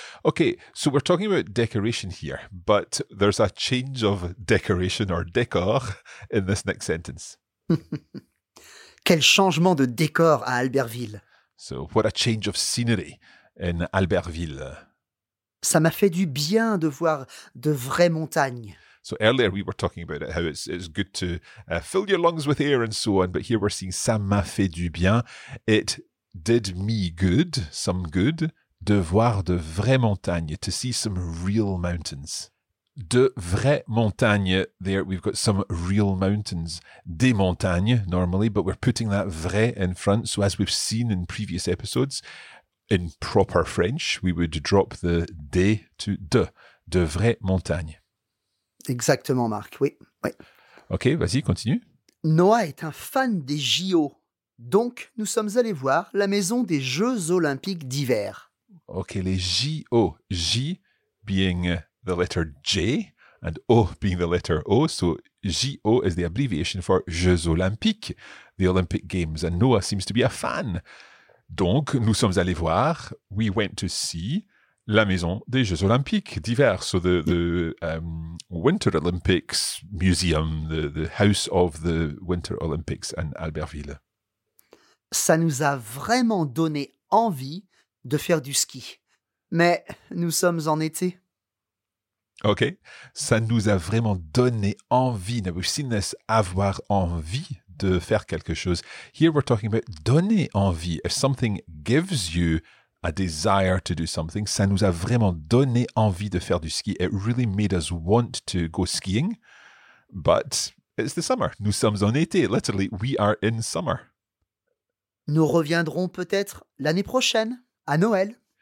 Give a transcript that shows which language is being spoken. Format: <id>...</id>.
<en>Okay, so we're talking about decoration here, but there's a change of decoration or décor in this next sentence.</en> <fr>Quel changement de décor à Albertville.</fr> <en>So, what a change of scenery in Albertville.</en> <fr>Ça m'a fait du bien de voir de vraies montagnes.</fr> <en>So, earlier we were talking about it, how it's good to fill your lungs with air and so on, but here we're seeing</en> <fr>ça m'a fait du bien.</fr> <en>It did me good, some good,</en> <fr>de voir de vraies montagnes,</fr> <en>to see some real mountains.</en> <fr>De vraies montagnes.</fr> <en>There we've got some real mountains.</en> <fr>Des montagnes,</fr> <en>normally, but we're putting that vrai in front. So as we've seen in previous episodes, in proper French, we would drop the des to</en> <fr>de vraies montagnes. Exactement, Marc. Oui, oui. Ok, vas-y, continue. Noah est un fan des JO. Donc, nous sommes allés voir la maison des Jeux Olympiques d'hiver.</fr> <en>Ok, les JO. J being... the letter J and O being the letter O. So J-O is the abbreviation for Jeux Olympiques, the Olympic Games. And Noah seems to be a fan.</en> <fr>Donc, nous sommes allés voir,</fr> <en>we went to see,</en> <fr>la maison des Jeux Olympiques d'hiver.</fr> <en>So the Winter Olympics Museum, the house of the Winter Olympics in Albertville.</en> <fr>Ça nous a vraiment donné envie de faire du ski. Mais nous sommes en été. OK. Ça nous a vraiment donné envie.</fr> <en>Now, we've seen this,</en> <fr>avoir envie de faire quelque chose.</fr> <en>Here we're talking about donner envie. If something gives you a desire to do something,</en> <fr>ça nous a vraiment donné envie de faire du ski.</fr> <en>It really made us want to go skiing, but it's the summer.</en> <fr>Nous sommes en été.</fr> <en>Literally, we are in summer.</en> <fr>Nous reviendrons peut-être l'année prochaine, à Noël.</fr>